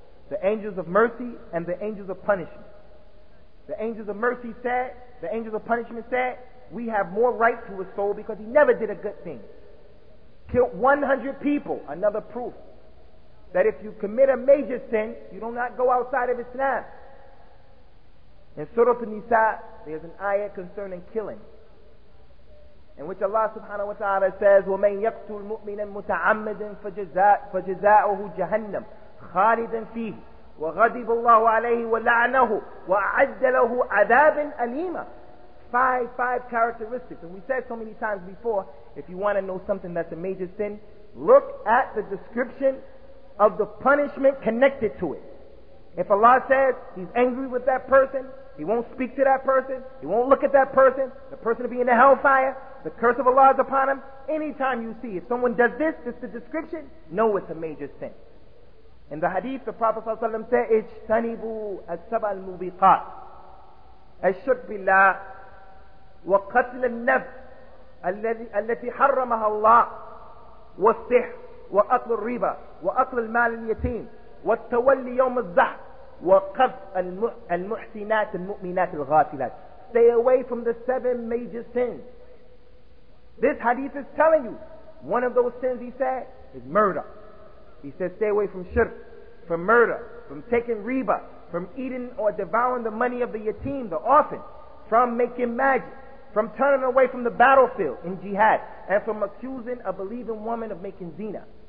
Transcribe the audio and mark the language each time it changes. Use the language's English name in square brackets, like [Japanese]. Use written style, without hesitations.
[English] The angels of mercy and the angels of punishment. The angels of punishment said, we have more right to his soul because he never did a good thing. Killed 100 people, another proof that if you commit a major sin, you do not go outside of Islam. [Arabic] In Surah An-Nisa, there's an ayah concerning killing, in which Allah subhanahu wa ta'ala says, وَمَنْ يَقْتُلْ مُؤْمِنًا مُتَعَمَّدًا فَجَزَاؤُهُ جَهَنَّمْ خَالِدًا فِيهِ وَغَضِبَ اللَّهُ عَلَيْهِ وَلَعَنَهُ وَأَعَدَّ لَهُ عَذَابًا أَلِيمًا. [English] Five characteristics. And we said so many times before, if you want to know something that's a major sin, look at the description of the punishment connected to it. If Allah says he's angry with that person, he won't speak to that person, he won't look at that person, the person will be in the hellfire, the curse of Allah is upon him. Anytime you see if someone does this, this is the description, know it's a major sin. [Arabic] In the hadith, the Prophet ﷺ said, اجتنبوا السبع المبيقات الشرك بالله وقتل النفس التي حرمها الله والسحر وأكل الربا وأكل المال اليتيم والتولي يوم الزحف وقف المحسنات المؤمنات الغافلات. [English] Stay away from the seven major sins. This hadith is telling you, one of those sins, he said, is murder. He said, stay away from shirk, from murder, from taking riba, from eating or devouring the money of the yatim, the orphan, from making magic, from turning away from the battlefield in jihad, and from accusing a believing woman of making zina.